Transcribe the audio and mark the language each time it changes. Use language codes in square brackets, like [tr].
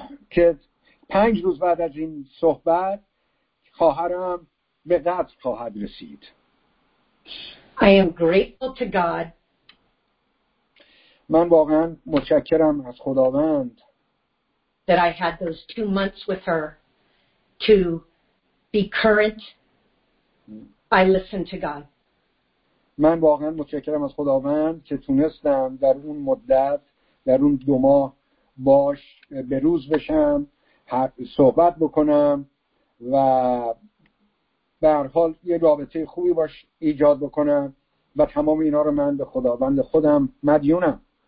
[fa] که 5 روز بعد از این صحبت خواهرم به قتل خواهد رسید. [en] I am grateful to God. [fa] من واقعا متشکرم از خداوند [en] that I had those 2 months with her to be current. I listened to God. [fa] من واقعا متشکرم از خداوند که تونستم در اون مدت در اون 2 ماه باش به روز بشم، صحبت بکنم و به هر حال یه رابطه خوبی باش ایجاد بکنم و تمام اینا رو من به خداوند خودم مدیونم.